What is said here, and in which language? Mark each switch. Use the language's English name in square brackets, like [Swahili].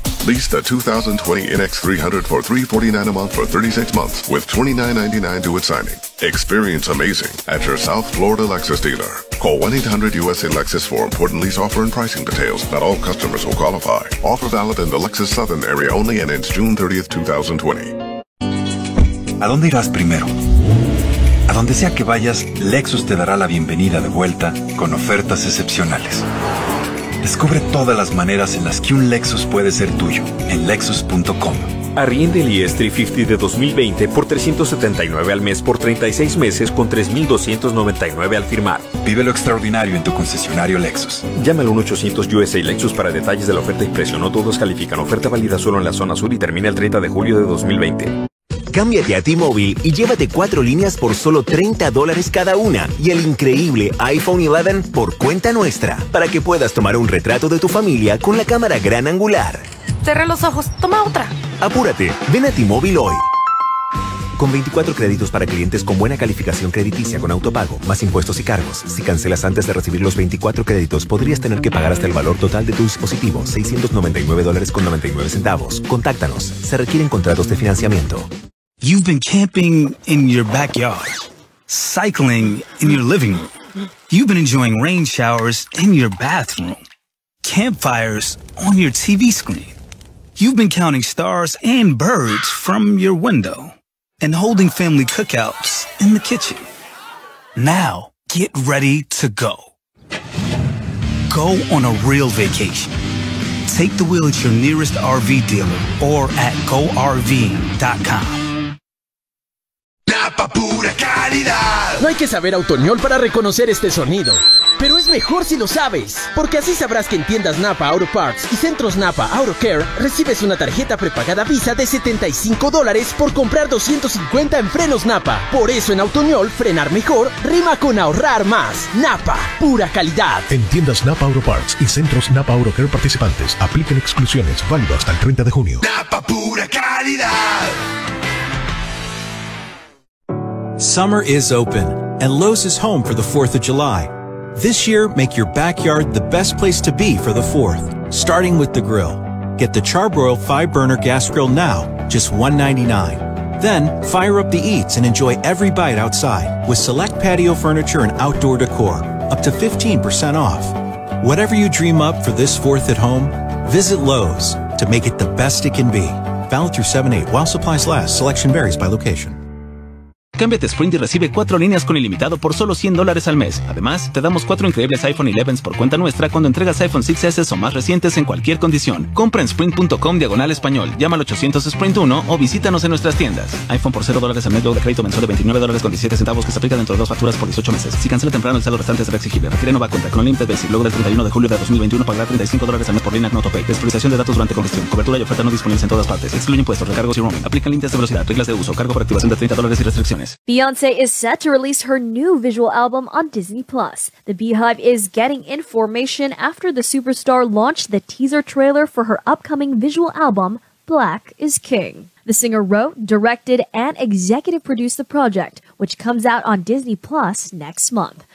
[English] Lease the 2020 NX300 for $349 a month for 36 months with $29.99 due at signing. Experience amazing at your South Florida Lexus dealer. Call 1-800-USA-LEXUS for important lease offer and pricing details. Not all customers will qualify. Offer valid in the Lexus Southern area only and ends June 30th, 2020. [Spanish] ¿A dónde irás primero? A donde sea que vayas, Lexus te dará la bienvenida de vuelta con ofertas excepcionales. Descubre todas las maneras en las que un Lexus puede ser tuyo en Lexus.com. Arriende el ES350 de 2020 por $379 al mes por 36 meses con $3,299 al firmar. Vive lo extraordinario en tu concesionario Lexus. Llama al 1-800-USA-LEXUS para detalles de la oferta y precio. No todos califican. Oferta válida solo en la zona sur y termina el 30 de julio de 2020. Cámbiate a T-Mobile y llévate cuatro líneas por solo $30 cada una y el increíble iPhone 11 por cuenta nuestra para que puedas tomar un retrato de tu familia con la cámara gran angular. Cerré los ojos, toma otra. Apúrate, ven a T-Mobile hoy. Con 24 créditos para clientes con buena calificación crediticia con autopago, más impuestos y cargos. Si cancelas antes de recibir los 24 créditos, podrías tener que pagar hasta el valor total de tu dispositivo, $699.99. Contáctanos. Se requieren contratos de financiamiento. [English] You've been camping in your backyard, cycling in your living room. You've been enjoying rain showers in your bathroom, campfires on your TV screen. You've been counting stars and birds from your window and holding family cookouts in the kitchen. Now, get ready to go. Go on a real vacation. Take the wheel at your nearest RV dealer or at GoRV.com. [Spanish] Napa pura calidad. No hay que saber autoñol para reconocer este sonido, pero es mejor si lo sabes, porque así sabrás que en tiendas Napa Auto Parts y centros Napa Auto Care recibes una tarjeta prepagada Visa de $75 por comprar $250 en frenos Napa. Por eso en autoñol, frenar mejor rima con ahorrar más. Napa, pura calidad. En tiendas Napa Auto Parts y centros Napa Auto Care participantes, apliquen exclusiones, válido hasta el 30 de junio. Napa pura calidad. [English] Summer is open, and Lowe's is home for the 4th of July. This year, make your backyard the best place to be for the 4th, starting with the grill. Get the Charbroil 5-burner gas grill now, just $199. Then, fire up the Eats and enjoy every bite outside with select patio furniture and outdoor decor, up to 15% off. Whatever you dream up for this 4th at home, visit Lowe's to make it the best it can be. Valid through 7-8 while supplies last. Selection varies by location. [Spanish] Cámbiate Sprint y recibe cuatro líneas con ilimitado por solo $100 al mes. Además, te damos cuatro increíbles iPhone 11s por cuenta nuestra cuando entregas iPhone 6S o más recientes en cualquier condición. Compra en Sprint.com/español. Llama al 800-SPRINT-1 o visítanos en nuestras tiendas. iPhone por $0 al mes, luego de crédito mensual de $29.17 que se aplica dentro de dos facturas por 18 meses. Si cancela temprano, el saldo restante será exigible. Refiere nueva cuenta con el límite Basic. Luego del 31 de julio de 2021 pagará $35 al mes por línea con autopay. Despriorización de datos durante congestión. Cobertura y oferta no disponibles en todas partes. Excluye impuestos, recargos y roaming. Aplica límites de velocidad, reglas de uso, cargo por activación de $30 y restricciones. [English] Beyoncé is set to release her new visual album on Disney Plus. The Beehive is getting information after the superstar launched the teaser trailer for her upcoming visual album, Black is King. The singer wrote, directed, and executive produced the project, which comes out on Disney Plus next month.